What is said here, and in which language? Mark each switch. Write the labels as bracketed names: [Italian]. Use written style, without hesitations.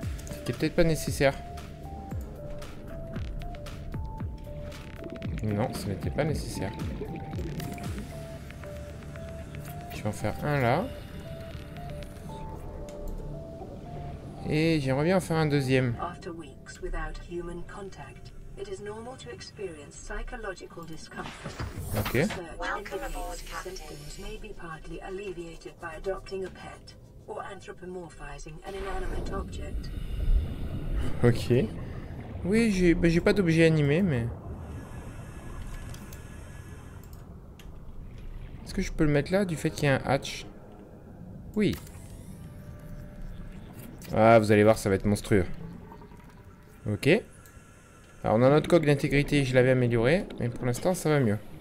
[French] C'était peut-être pas nécessaire. Non, ce n'était pas nécessaire. Je vais en faire un là. Et j'aimerais bien en faire un deuxième. [English] After weeks without human contact. It is normal to experience psychological discomfort. Okay. Welcome aboard, Captain. Symptoms may be partly alleviated by adopting a pet or anthropomorphizing an inanimate object. Ok. [French] Oui, j'ai pas d'objet animé, mais... est-ce que je peux le mettre là, du fait qu'il y a un hatch? Oui. Ah, vous allez voir, ça va être monstrueux. Ok. Alors, on a notre coque d'intégrité, je l'avais amélioré, mais pour l'instant, ça va mieux.